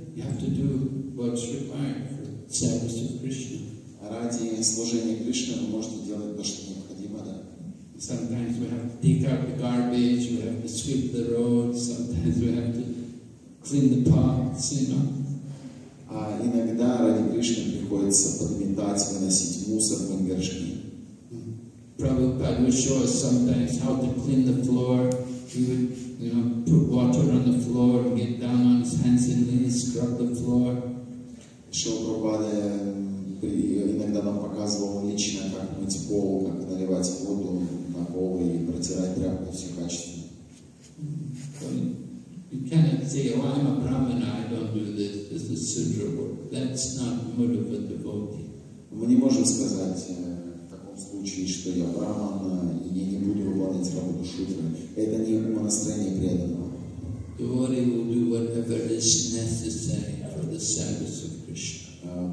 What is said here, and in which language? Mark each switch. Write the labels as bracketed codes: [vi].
[en] You have to do what's required for service of Krishna. [ru] Ради служения Кришне вы можете делать то, что необходимо, да? [en] Sometimes we have to take out the garbage, we have to sweep the road, sometimes we have to clean the paths, you know? [ru] А иногда ради Кришны приходится подметать, выносить мусор, мыть горшки. [en] Prabhupada would show us sometimes how to clean the floor. He would, you know, put water on the floor, get down on his hands and knees, scrub the floor. [ru] Шрила Прабхупада иногда нам показывал лично, как мыть пол, как наливать воду на пол и протирать тряпку все качественно. [en] You cannot say, oh, I'm a brahmana, I don't do this. This is sutra work. That's not mood of a devotee. [ru] Мы не можем сказать случае, что я браман, и я не буду выполнять работу шудры. Это не умонастроение преданного. [en] Devotee will do whatever is necessary for the service of Krishna.